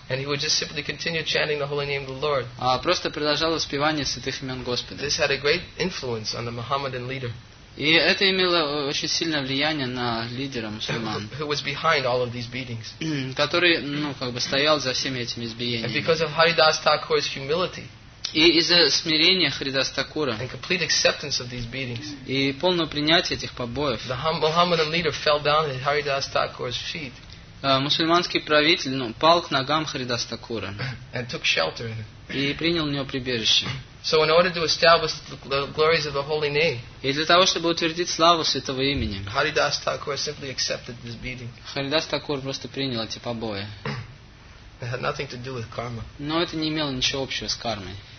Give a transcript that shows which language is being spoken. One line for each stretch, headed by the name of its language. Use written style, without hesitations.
English: And he would just simply continue chanting the holy name of the Lord.
Russian: А просто продолжал воспевание святых имен Господа.
English: This had a great influence on the Mohammedan leader.
Russian: И это имело очень сильное влияние на лидера мусульман,
English: who was behind all of these beatings.
Russian: Который, ну, как бы стоял за всеми этими избиениями.
English: And because of Haridas Thakur's humility.
Russian: И из-за смирения Харидас Такура.
English: And complete acceptance of these beatings.
Russian: И полного принятия этих побоев.
English: The Mohammedan leader fell down at Haridas Thakur's feet.
Russian: Мусульманский правитель, ну, пал к ногам Харидас Такура.
English: And took shelter in him.
Russian: И принял у него прибежище.
English: So in order to establish the glories of the holy name.
Russian: И для того, чтобы утвердить славу святого имени.
English: Haridas Thakur simply accepted this beating.
Russian: Харидас Такур просто принял эти побои.
English: It had nothing to do with karma.
Russian: Но это не имело ничего общего с кармой.